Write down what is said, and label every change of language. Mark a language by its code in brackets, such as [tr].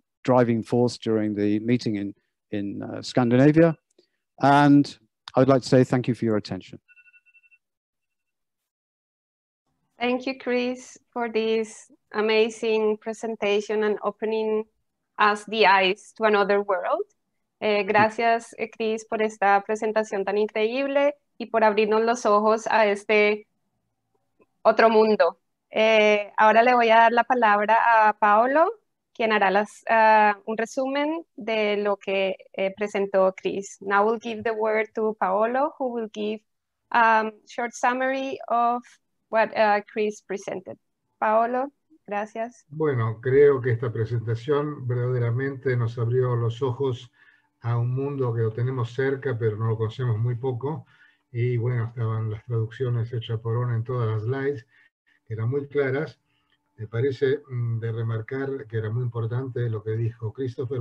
[en] driving force during the meeting in Scandinavia. And I would like to say thank you for your attention. Thank you, Chris, for this amazing presentation and opening us the eyes to another world. [es] Gracias, Chris, por esta presentación tan increíble y por abrirnos los ojos a este otro mundo. Ahora le voy a dar la palabra a Paolo, quien hará un resumen de lo que presentó Chris. [en] Now we'll give the word to Paolo, who will give a short summary of what Chris presented. [es] Paolo, gracias. Bueno, creo que esta presentación verdaderamente nos abrió los ojos a un mundo que lo tenemos cerca, pero no lo conocemos muy poco. Y bueno, estaban las traducciones hechas por Ona en todas las slides, que eran muy claras. Me parece de remarcar que era muy importante lo que dijo Christopher.